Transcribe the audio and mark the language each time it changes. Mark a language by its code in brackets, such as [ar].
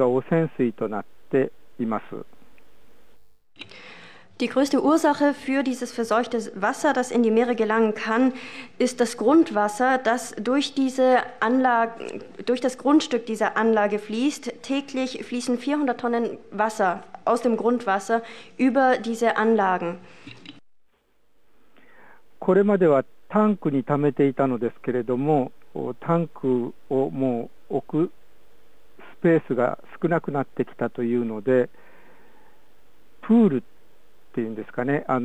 [ja] これは一番の原因は地下水の対策ができていないことにあります。毎日400トンの地下水が原子炉建屋に流れ込んできていて、それが汚染水となっています。 [de] Die größte Ursache für dieses verseuchte Wasser, das in die Meere gelangen kann, ist das Grundwasser, das durch diese Anlage, durch das Grundstück dieser Anlage fließt. Täglich fließen 400 Tonnen Wasser aus dem Grundwasser über diese Anlagen. [ja] これまではタンクに溜めていたのですけれども、タンクをもう置くスペースが少なくなってきたというので、プール 60メ